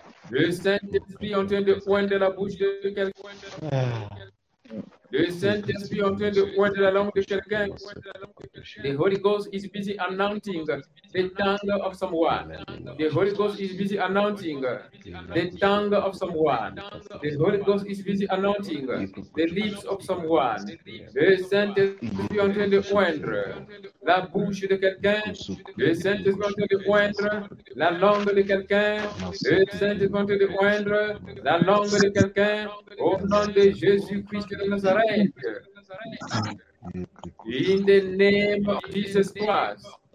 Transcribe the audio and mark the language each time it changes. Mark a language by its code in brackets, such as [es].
[fr] Le Saint-Esprit en train de poindre la bouche de quelqu'un. Le Saint-Esprit en train de poindre la langue de quelqu'un. [en] The Holy Ghost is busy announcing the tongue of someone. The Holy Ghost is busy anointing the tongue of someone. The Holy Ghost is busy anointing the lips of someone. [fr] Le Saint-Esprit est en train de oindre la bouche de quelqu'un. Le Saint-Esprit est en train de oindre la langue de quelqu'un. Le Saint-Esprit est en train de oindre la langue de quelqu'un. Au nom de Jésus-Christ de Nazareth. [en] In the name of Jesus Christ.